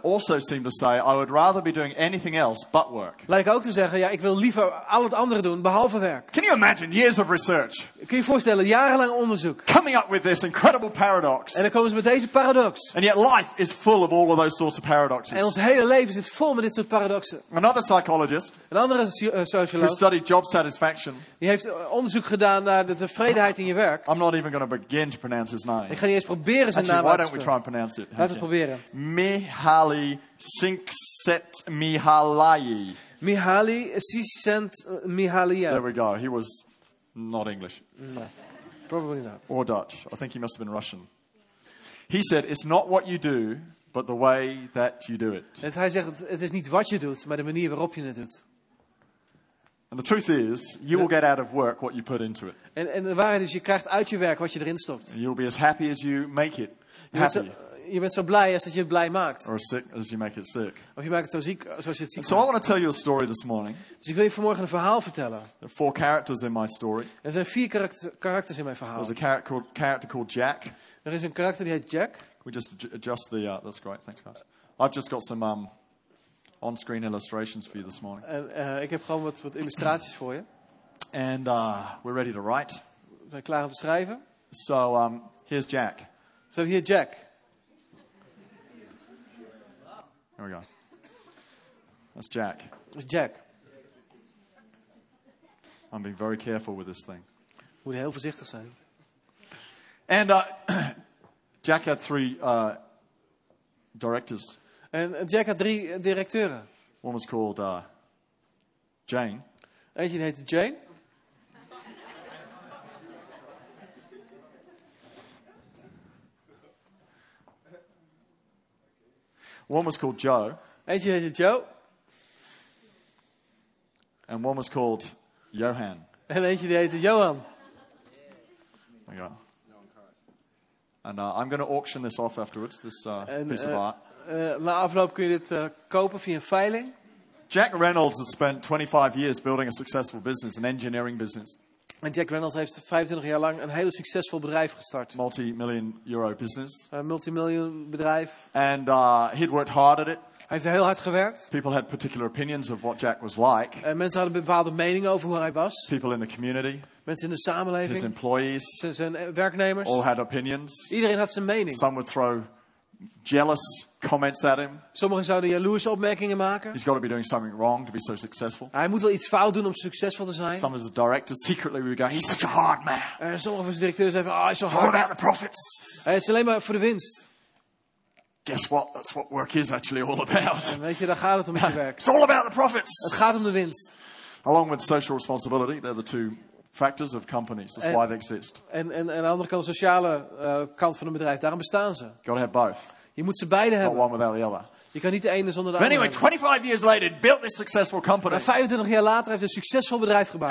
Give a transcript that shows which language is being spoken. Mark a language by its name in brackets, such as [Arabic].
[English] Also seem to say I would rather be doing anything else but work. [Dutch] Lijken ook te zeggen, ja, ik wil liever al het andere doen behalve werk. [English] Can you imagine years of research? [Dutch] Kun je voorstellen jarenlang onderzoek? [English] Coming up with this incredible paradox. [Dutch] En dan komen ze met deze paradox. [English] And yet life is full of all of those sorts of paradoxes. [Dutch] En ons hele leven zit vol met dit soort paradoxen. [English] Another psychologist. [Dutch] Een andere socioloog. [English] Who studied job satisfaction. [Dutch] Die heeft onderzoek gedaan naar de tevredenheid in je werk. [English] I'm not even going to begin to pronounce his name. [Dutch] Ik ga niet eens proberen zijn [English] Actually, [Dutch] te spreken. [English] Why don't we try and pronounce it? [Dutch] Laten we het proberen. [English] Mihaly Csikszentmihalyi. Mihaly Csikszentmihalyi. There we go. He was not English. No, probably not. Or Dutch. I think he must have been Russian. He said, "It's not what you do, but the way that you do it." [Dutch] En hij zegt, het is niet wat je doet, maar de manier waarop je het doet. [English] And the truth is, you will get out of work what you put into it. [Dutch] En de waarheid is, je krijgt uit je werk wat je erin stopt. [English] And you'll be as happy as you make it happy. [Dutch] Je bent zo blij als dat je het blij maakt. [English] Or as sick as you make it sick. [Dutch] Of je maakt het zo ziek zoals je het ziek [English] maakt. So I want to tell you a story this morning. [Dutch] Dus ik wil je vanmorgen een verhaal vertellen. [English] There are four characters in my story. [Dutch] Er zijn vier karakters in mijn verhaal. [English] There's a character called Jack. [Dutch] Er is een karakter die heet Jack. [English] Can we just adjust the that's great, thanks guys. I've just got some on-screen illustrations for you this morning. [Dutch] Ik heb gewoon wat illustraties voor je. [English] And we're ready to write. [Dutch] We zijn klaar om te schrijven. [English] So here's Jack. So here Jack. There we go. That's Jack. That's Jack. I'm being very careful with this thing. [Dutch] Moet heel voorzichtig zijn. [English] And Jack had three directors. [Dutch] En Jack had drie directeuren. [English] One was called Jane. [Dutch] Eentje heette Jane. [English] One was called Joe. [Dutch] Eentje heette Joe. [English] And one was called Johan. [Dutch] En eentje heette Johan. [English] There you go. And I'm going to auction this off afterwards, this piece of art. [Dutch] Na afloop kun je dit kopen via een veiling. [English] Jack Reynolds has spent 25 years building a successful business, an engineering business. [Dutch] En Jack Reynolds heeft 25 jaar lang een hele succesvol bedrijf gestart. [English] Multi-million euro business. [Dutch] Een multimiljoen bedrijf. [English] And he'd worked hard at it. [Dutch] Hij heeft heel hard gewerkt. [English] People had particular opinions of what Jack was like. [Dutch] Mensen hadden bepaalde meningen over hoe hij was. [English] People in the community. [Dutch] Mensen in de samenleving. [English] His employees. [Dutch] Zijn werknemers. [English] All had opinions. [Dutch] Iedereen had zijn mening. [English] Some would throw jealous comments at him. [Dutch] Sommigen zouden jaloerse opmerkingen maken. [English] He's got to be doing something wrong to be so successful. [Dutch] Hij moet wel iets fout doen om succesvol te zijn. [English] Some of the directors secretly were going, he's such a hard man. [Dutch] Sommige van de directeurs zeiden, oh, hij is zo hard. [English] It's all about the profits. [Dutch] Het is alleen maar voor de winst. [English] Guess what? That's what work is actually all about. [Dutch] En weet je, daar gaat het om je werk. [English] It's all about the profits. [Dutch] Het gaat om de winst. [English] Along with social responsibility, they're the two factors of companies. That's why they exist. [Dutch] En aan de andere kant, de sociale kant van een bedrijf, daarom bestaan ze. [English] Got to have both. [Dutch] Je moet ze beide hebben. [English] Not one without the other. [Dutch] Je kan niet de ene zonder de andere. [English] But anyway, 25 years later, built this successful company. [Dutch] En 25 jaar later heeft hij een succesvol bedrijf gebouwd.